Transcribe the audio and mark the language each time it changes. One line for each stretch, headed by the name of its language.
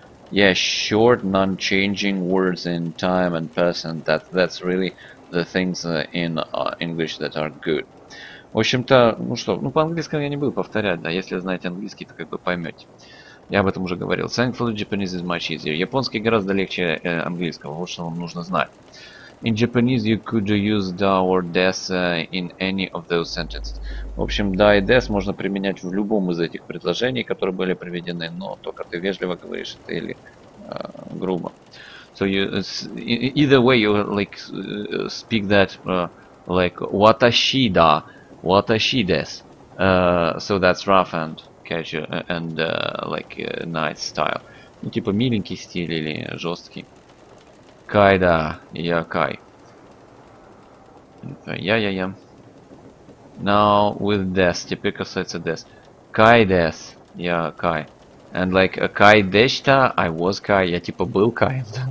English: Yeah, short, non-changing words in time and person, that's really... The things in English that are good.
Russian: В общем-то, ну что, ну по-английски я не буду повторять, да. Если знаете английский, то как бы поймете. Я об этом уже говорил.
English: Thankfully, Japanese is much easier.
Russian: Японский гораздо легче английского. Вот что вам нужно знать.
English: In Japanese, you could use da or des in any of those sentences.
Russian: В общем, da и des можно применять в любом из этих предложений, которые были приведены, но только ты вежливо говоришь это или грубо.
English: So you either way you like speak that like watashi da, watashi des, so that's rough and casual and like nice style.
Russian: Ну типа миленький стиль или жесткий. Kai da, я Kai.
English: Yeah, yeah, yeah. Now with des,
Russian: теперь касается des.
English: Kai des,
Russian: я Kai.
English: And like Kai deshita, I was Kai,
Russian: я типа был Kai.